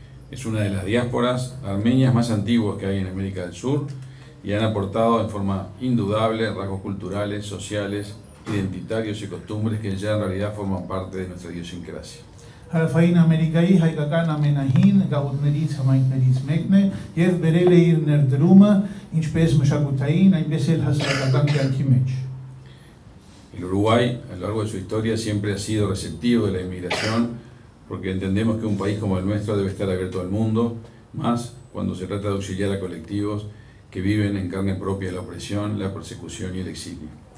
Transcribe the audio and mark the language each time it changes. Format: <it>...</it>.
<es>Es una de las diásporas armenias más antiguas que hay en América del Sur y han aportado en forma indudable rasgos culturales, sociales, identitarios y costumbres que ya en realidad forman parte de nuestra idiosincrasia.</es> <hy>Հարավային Ամերիկայի հայկական ամենահին գաղութներից համայնքներից մեկն է եւ բերել է իր ներդրումը ինչպես մշակութային, այնպես էլ հասարակական կյանքի մեջ։</hy> <es>El Uruguay, a lo largo de su historia, siempre ha sido receptivo de la inmigración porque entendemos que un país como el nuestro debe estar abierto al mundo, más cuando se trata de auxiliar a colectivos que viven en carne propia la opresión, la persecución y el exilio.</es>